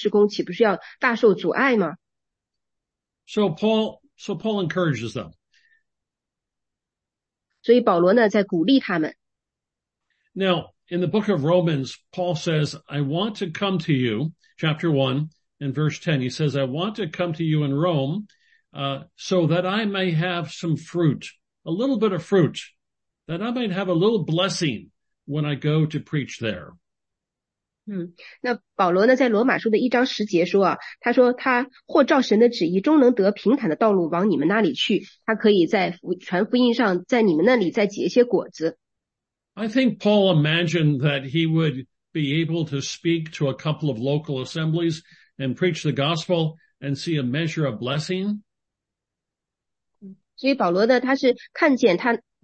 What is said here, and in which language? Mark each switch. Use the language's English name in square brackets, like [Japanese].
[Chinese] 那保罗呢，是传福音的领袖啊，他现在被关到监狱里了。那很多基督徒就认为，哎呀，这可怎么办呢？这个我们的领袖被关到监狱里了，那这个福音的事工岂不是要大受阻碍吗？ [English] So Paul encourages them. [Chinese] 所以保罗呢，在鼓励他们。 [English] Now, in the book of Romans, Paul says, I want to come to you, chapter 1 and verse 10. He says, I want to come to you in Rome so that I may have some fruit, a little bit of fruit, that I might have a little blessing when I go to preach there. [Chinese] 那保罗呢，在罗马书的1章10节说啊，他说他或照神的旨意，终能得平坦的道路往你们那里去。他可以在传福音上，在你们那里再结一些果子。 [English] I think Paul imagined that he would be able to speak to a couple of local assemblies and preach the gospel and see a measure of blessing. [Chinese] 所以保罗呢，他是看见他。